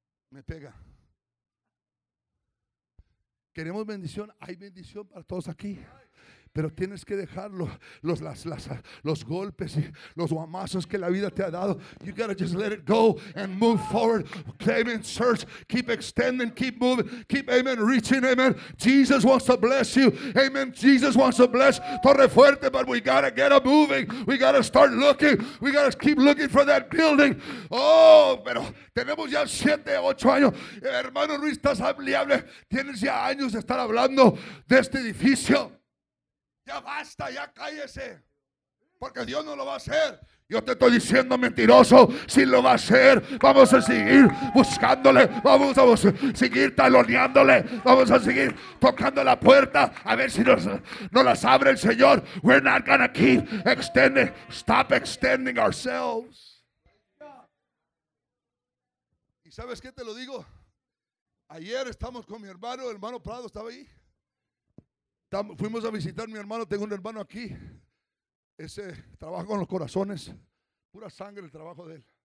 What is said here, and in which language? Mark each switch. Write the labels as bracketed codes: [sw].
[es] Me pega. Queremos bendición. Hay bendición para todos aquí. Pero tienes que dejar los golpes y los guamazos que la vida te ha dado. [en] You gotta just let it go and move forward. Claim and search. Keep extending. Keep moving. Keep, amen, reaching. Amen. Jesus wants to bless you. Amen. Jesus wants to bless Torre Fuerte. But we gotta get a moving. We gotta start looking. We gotta keep looking for that building. [es] Oh, pero tenemos ya 7, 8 años. Hermano Ruiz, estás hablable. Tienes ya años de estar hablando de este edificio. Ya basta, ya cállese, porque Dios no lo va a hacer. Yo te estoy diciendo, mentiroso, si lo va a hacer. Vamos a seguir buscándole, vamos a seguir taloneándole, vamos a seguir tocando la puerta, a ver si nos las abre el Señor. [en] We're not gonna keep extending, stop extending ourselves. [es] ¿Y sabes qué te lo digo? Ayer estamos con mi hermano, el hermano Prado estaba ahí. Fuimos a visitar a mi hermano, tengo un hermano aquí. Ese trabaja con los corazones, pura sangre el trabajo de él.